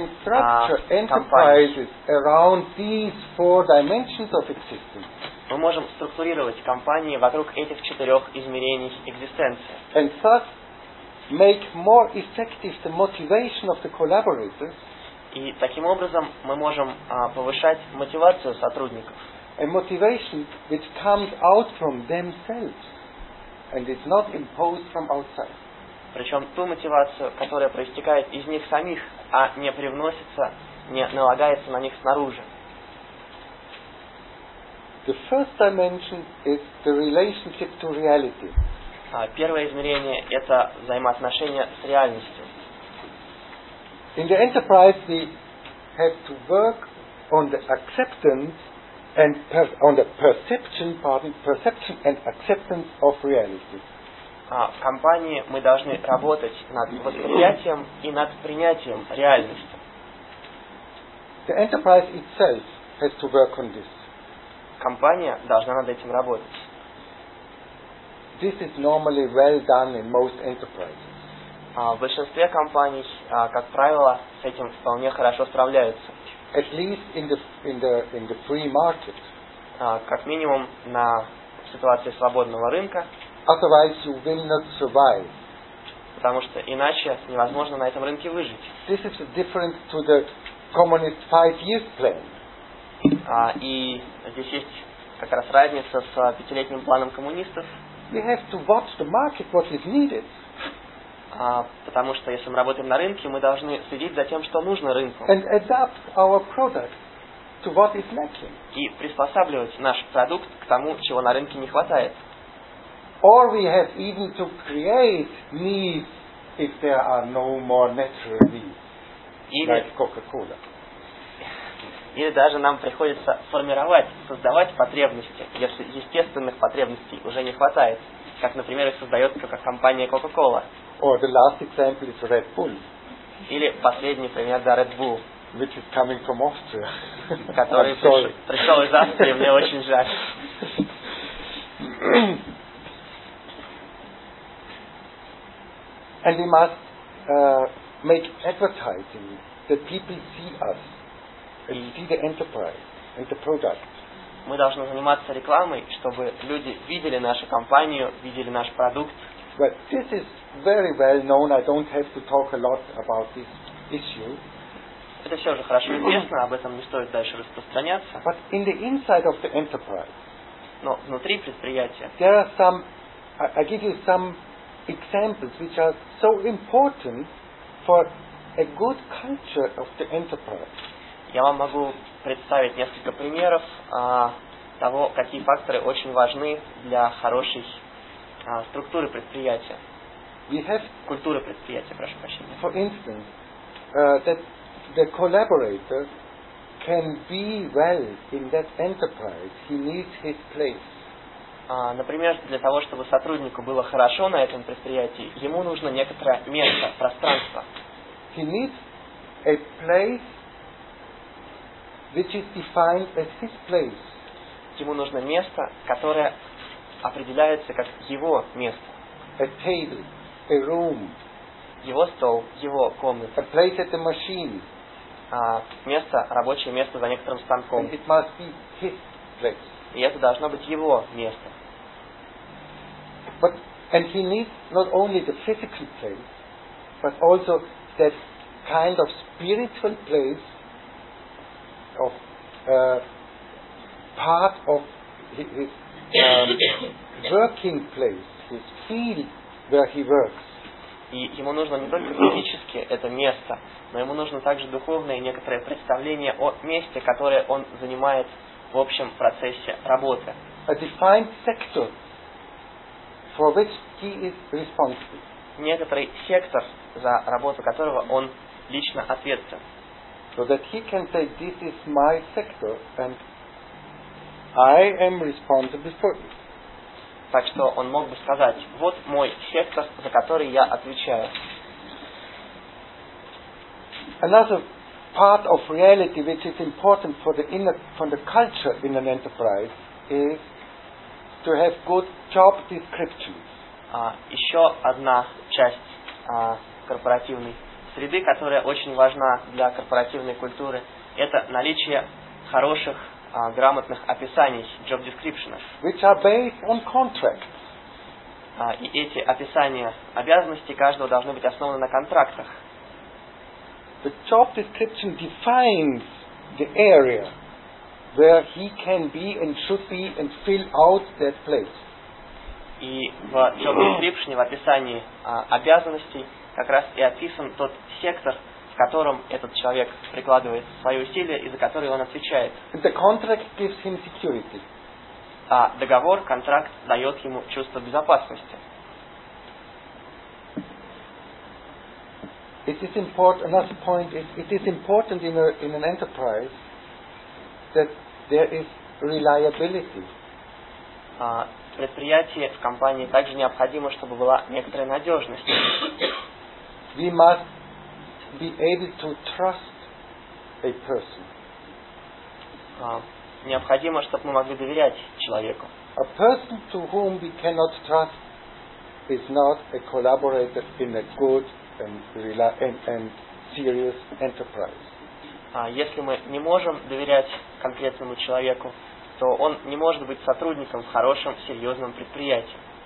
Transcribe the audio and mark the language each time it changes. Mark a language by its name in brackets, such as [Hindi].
[Russian] компании. Мы можем структурировать компании вокруг этих четырех измерений экзистенции. [English] And thus make more effective the motivation of the collaborators. [Russian] И таким образом мы можем повышать мотивацию сотрудников. [English] A motivation which comes out from themselves and is not imposed from outside. [Russian] Причем ту мотивацию, которая проистекает из них самих, а не привносится, не налагается на них снаружи. [English] The first dimension is the relationship to reality. [Russian] Первое измерение – это взаимоотношения с реальностью. [English] In the enterprise, we have to work on the acceptance and perception and acceptance of reality. [Russian] В компании мы должны работать над восприятием и над принятием реальности. [English] The enterprise itself has to work on this. [Russian] Компания должна над этим работать. [English] This is normally well done in most enterprises. [Russian] В большинстве компаний, как правило, с этим вполне хорошо справляются. [English] At least in the free market. [Russian] Как минимум на ситуации свободного рынка. [English] Otherwise you will not survive. [Russian] Потому что иначе невозможно на этом рынке выжить. [English] This is different to the communist 5-year plan. [Russian] И здесь есть как раз разница с пятилетним планом коммунистов. [English] We have to watch the market, what is needed. [Russian] Потому что если мы работаем на рынке, мы должны следить за тем, что нужно рынку. [English] And adapt our product to what is lacking. [Russian] И приспосабливать наш продукт к тому, чего на рынке не хватает. [English] Or we have even to create needs if there are no more natural needs, like Coca-Cola. [Russian] Или даже нам приходится формировать, создавать потребности, если естественных потребностей уже не хватает, как, например, их создает компания Coca-Cola. [English] Or the last example is Red Bull. [Russian] Или последний пример для Red Bull. [English] Which is coming from Austria. [Russian] Который пришел из Австрии, мне очень жаль. [English] And we must make advertising that people see us and see the enterprise and the product. [Russian] Мы должны заниматься рекламой, чтобы люди видели нашу компанию, видели наш продукт. [English] But this is very well known. I don't have to talk a lot about this issue. [Russian] Это все уже хорошо известно, об этом не стоит дальше распространяться. [English] But in the inside of the enterprise, [Russian] но внутри предприятия, [English] there are some. I give you some examples which are so important for a good culture of the enterprise. [Russian] Я вам могу представить несколько примеров того, какие факторы очень важны для хорошей структуры предприятия. [English] We have [Russian] культуры предприятия, прошу прощения. [English] For instance, that the collaborator can be well in that enterprise, he needs his place. [Russian] Например, для того, чтобы сотруднику было хорошо на этом предприятии, ему нужно некоторое место, пространство. [English] He needs a place which is defined as his place. [Russian] Ему нужно место, которое определяется как его место. [English] A table, a room. [Russian] Его стол, его комната. [English] A place at the machine. [Russian] Место, рабочее место за некоторым станком. [English] And it must be his place. [Russian] И это должно быть его место. [English] But and he needs not only the physical place, but also that kind of spiritual place of part of his working place, his field where he works. [Russian] И ему нужно не только физически это место, но ему нужно также духовное некоторое представление о месте, которое он занимает в общем процессе работы. [English] A defined sector for which he is responsible. [Russian] Некоторый сектор, за работу которого он лично ответственен. [English] So that he can say, this is my sector, and I am responsible for it. [Russian] Так что он мог бы сказать, вот мой сектор, за который я отвечаю. [English] Another part of reality which is important for the inner, for the culture in an enterprise is to have good job descriptions. [Russian] Еще одна часть корпоративной среды, которая очень важна для корпоративной культуры, это наличие хороших, грамотных описаний, job descriptions, [English] which are based on contracts. [Russian] И эти описания обязанностей каждого должны быть основаны на контрактах. [English] The job description defines the area where he can be and should be and fill out that place. [Russian] И в job description, в описании обязанностей, как раз и описан тот сектор, в котором этот человек прикладывает свои усилия и за который он отвечает. [English] The contract gives him security. [Russian] А договор, контракт дает ему чувство безопасности. [English] It is important, another point is, it is important in, in an enterprise that there is reliability. [Russian] Предприятие в компании также необходимо, чтобы была некоторая надежность. [English] We must be able to trust a person. [Russian] Необходимо, чтобы мы могли доверять человеку. [English] A person to whom we cannot trust is not a collaborator in a good and serious enterprise. [Russian] Если мы не можем доверять конкретному человеку, то он не может быть сотрудником в хорошем, серьезном предприятии.